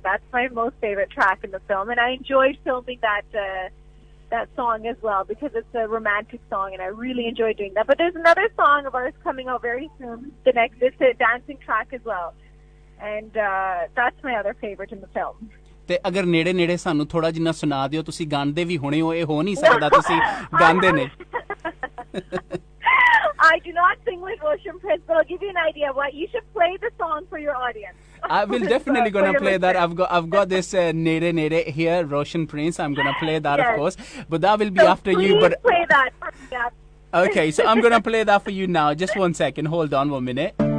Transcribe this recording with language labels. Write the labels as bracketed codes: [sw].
[en] That's my most favorite track in the film. And I enjoyed filming that that song as well because it's a romantic song and I really enjoy doing that. But there's another song of ours coming out very soon, the next, it's a dancing track as well. And that's my other favorite in the film. [pa] ਤੇ ਅਗਰ ਨੇੜੇ ਨੇੜੇ ਸਾਨੂੰ ਥੋੜਾ ਜਿੰਨਾ ਸੁਣਾ ਦਿਓ ਤੁਸੀਂ ਗਾਉਂਦੇ ਵੀ ਹੋਣੇ ਹੋ ਇਹ ਹੋ ਨਹੀਂ ਸਕਦਾ ਤੁਸੀਂ ਗਾਉਂਦੇ ਨੇ [en] I do not sing with Roshan Prince, but I'll give you an idea. What you should play the song for your audience. I will definitely gonna play that. I've got this Nere Nere here, Roshan Prince. I'm gonna play that, of course. But that will be so after you. But play that. Yeah. Okay, so I'm gonna play that for you now. Just one second. Hold on 1 minute.